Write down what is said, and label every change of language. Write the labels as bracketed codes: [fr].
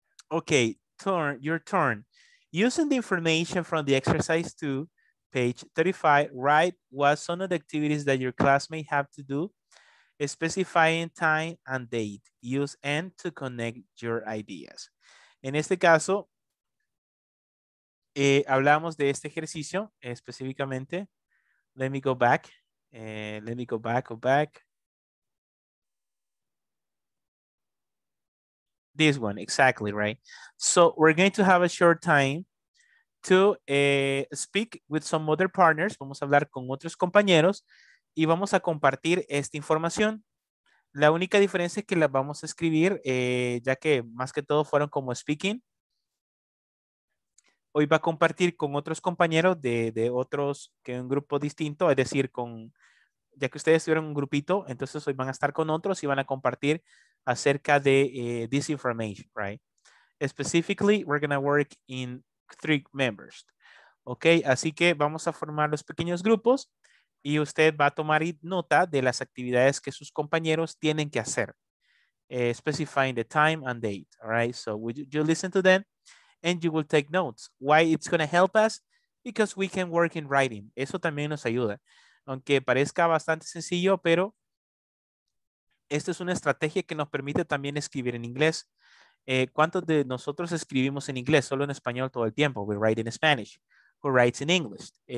[en] Okay, your turn. Using the information from the exercise 2, page 35, write what some of the activities that your class may have to do, specifying time and date. Use and to connect your ideas. [es] En este caso, hablamos de este ejercicio específicamente. [en] Let me go back. Let me go back. This one, exactly, right? So we're going to have a short time to speak with some other partners. [es] Vamos a hablar con otros compañeros y vamos a compartir esta información. La única diferencia es que la vamos a escribir, ya que más que todo fueron como speaking. Hoy va a compartir con otros compañeros de otros, que un grupo distinto, es decir, con, ya que ustedes tuvieron un grupito, entonces hoy van a estar con otros y van a compartir acerca de [en] this information, [es] right? [en] Specifically, we're going to work in 3 members. [es] Ok, así que vamos a formar los pequeños grupos y usted va a tomar nota de las actividades que sus compañeros tienen que hacer. [en] Specifying the time and date, all right? So you listen to them and you will take notes. Why it's going to help us? Because we can work in writing. [es] Eso también nos ayuda. Aunque parezca bastante sencillo, pero esta es una estrategia que nos permite también escribir en inglés. ¿Cuántos de nosotros escribimos en inglés? Solo en español todo el tiempo. [en] We write in Spanish. Who writes in English?